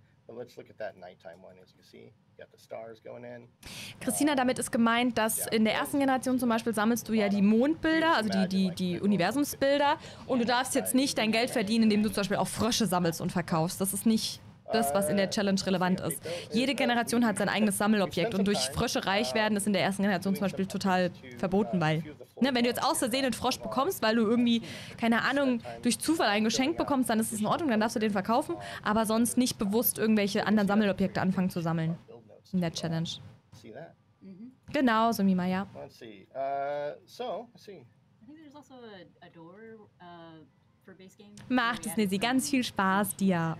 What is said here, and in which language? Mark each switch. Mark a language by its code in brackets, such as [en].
[en] But let's look at that nighttime one, as you see. You got the stars going in. [de] Christina, damit ist gemeint, dass in der ersten Generation zum Beispiel sammelst du ja die Mondbilder, also die Universumsbilder, und du darfst jetzt nicht dein Geld verdienen, indem du zum Beispiel auch Frösche sammelst und verkaufst. Das ist nicht das, was in der Challenge relevant ist. Jede Generation hat sein eigenes Sammelobjekt, und durch Frösche reich werden ist in der ersten Generation zum Beispiel total verboten, weil, ne, wenn du jetzt aus Versehen einen Frosch bekommst, weil du irgendwie, keine Ahnung, durch Zufall ein Geschenk bekommst, dann ist es in Ordnung, dann darfst du den verkaufen, aber sonst nicht bewusst irgendwelche anderen Sammelobjekte anfangen zu sammeln in der Challenge. [en] See that? [de] Mm-hmm. Genau, so Mima, ja. [en] Let's see. Let's see. I think there's also a door for base game. [de] Macht es, Nizzy, ganz viel Spaß dir.